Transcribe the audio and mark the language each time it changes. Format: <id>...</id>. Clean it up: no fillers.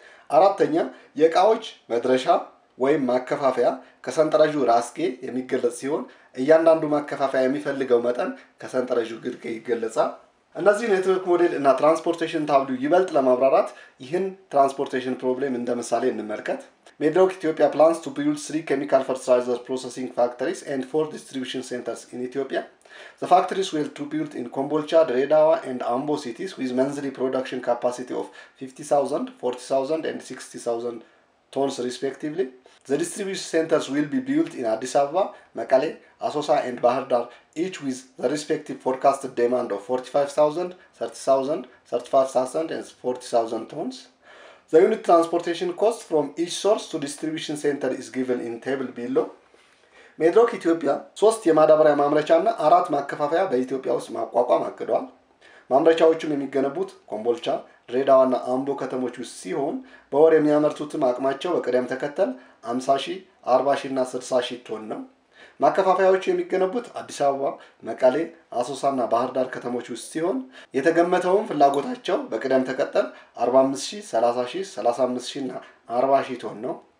<am>አራተኛ የዕቃዎች መድረሻ ወይም ማከፋፋያ ከሰንጠረዡ ራስጌ የሚገለጽ ሲሆን እያንዳንዱ ማከፋፋያ የሚፈልገው መጠን ከሰንጠረዡ ግርጌ ይገለጻል። እነዚህ ኔትወርክ ሞዴል እና ትራንስፖርቴሽን ታብሉ ይበልጥ ለማብራራት ይህን ትራንስፖርቴሽን ፕሮብሌም እንደ ምሳሌ እንመልከት። ሜድሮክ ኢትዮጵያ</am> <en>plans to build 3 chemical fertilizer processing factories and 4 distribution centers in Ethiopia. The factories will be built in Kombolcha, Dredawa and Ambo cities with monthly production capacity of 50,000, 40,000 and 60,000 tons respectively. The distribution centers will be built in Addis Ababa, Mekele, Asosa and Bahar Dar, each with the respective forecasted demand of 45,000, 30,000, 35,000 and 40,000 tons. The unit transportation cost from each source to distribution center is given in table below.</en> <am>ሜድሮክ ኢትዮጵያ 3 የማዳበሪያ ማምረቻና 4 ማከፋፈያ በኢትዮጵያ ውስጥ ማቋቋም አቅዷል። ማምረቻዎቹም የሚገነቡት ኮምቦልቻ፣ ድሬዳዋና አምቦ ከተሞች ውስጥ ሲሆን በወር የሚያመርቱትም አቅማቸው በቅደም ተከተል 50,000፣ 40,000ና 60,000 ቶን ነው። ማከፋፈያዎቹ የሚገነቡት አዲስ አበባ፣ መቀሌ፣ አሶሳና ባህር ዳር ከተሞች ውስጥ ሲሆን የተገመተውን ፍላጎታቸው በቅደም ተከተል 45,000፣ 30,000፣ 35,000ና 40,000 ቶን ነው።</am>